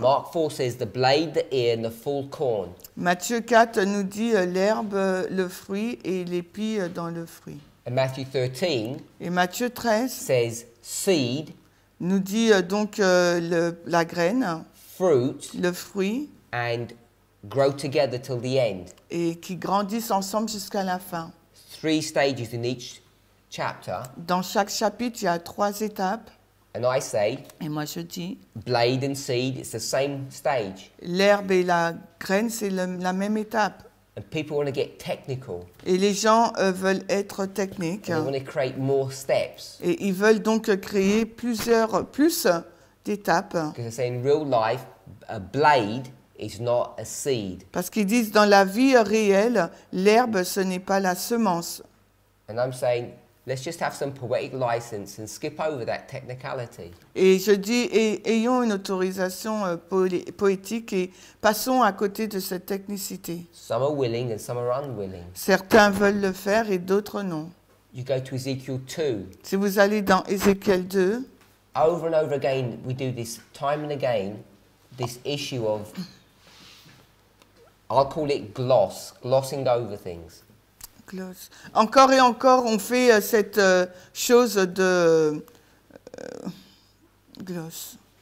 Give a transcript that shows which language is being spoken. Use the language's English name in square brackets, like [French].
[English] Mark 4 says the blade, the ear and the full corn. [French] Matthieu 4 nous dit l'herbe, le fruit et l'épi dans le fruit. [English] And Matthew 13. [French] Et Matthieu 13 [English] says seed. [French] Nous dit donc la graine. [English] Fruit. [French] Le fruit. [English] And grow together till the end. [French] Et qui grandissent ensemble jusqu'à la fin. [English] Three stages in each chapter. [French] Dans chaque chapitre, il y a trois étapes. [English] And I say, [French] et moi je dis, [English] blade and seed, it's the same stage. [French] L'herbe et la graine, c'est la même étape. [English] And people want to get technical. [French] Et les gens veulent être techniques. [English] They want to create more steps. [French] Et ils veulent donc créer plus d'étapes. [English] Because they say in real life, a blade is not a seed. [French] Parce qu'ils disent dans la vie réelle, l'herbe ce n'est pas la semence. [English] And I'm saying, let's just have some poetic license and skip over that technicality. [French] Et je dis, ayons une autorisation poétique et passons à côté de cette technicité. [English] Some are willing and some are unwilling. [French] Certains veulent le faire et d'autres non. [English] You go to Ezekiel 2. [French] Si vous allez dans Ézéchiel 2. [English] Over and over again, we do this time and again, this issue of, I'll call it glossing over things. [French] Encore et encore, on fait cette chose de gloss.